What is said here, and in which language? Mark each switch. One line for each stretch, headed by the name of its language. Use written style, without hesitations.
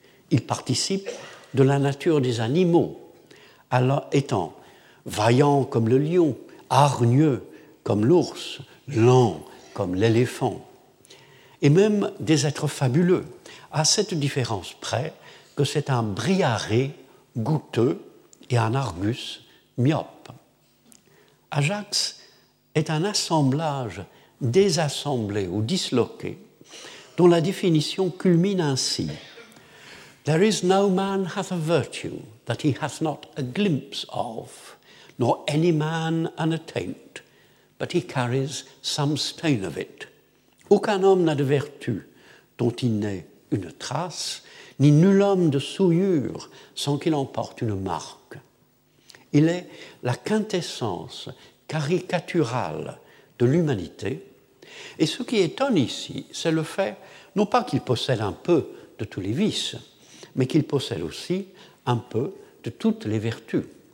French: Il participe de la nature des animaux, étant vaillant comme le lion, hargneux comme l'ours, lent comme l'éléphant, et même des êtres fabuleux, à cette différence près que c'est un briaré goutteux et un argus myope. Ajax est un assemblage désassemblé ou disloqué dont la définition culmine ainsi.
English: « There is no man hath a virtue that he hath not a glimpse of, nor any man an attaint, but he carries some stain of it.
French: Aucun homme n'a de vertu dont il n'ait une trace, ni nul homme de souillure sans qu'il en porte une marque. Il est la quintessence caricaturale de l'humanité, et ce qui étonne ici, c'est le fait, non pas qu'il possède un peu de tous les vices, mais qu'il possède aussi un peu de toutes les vertus.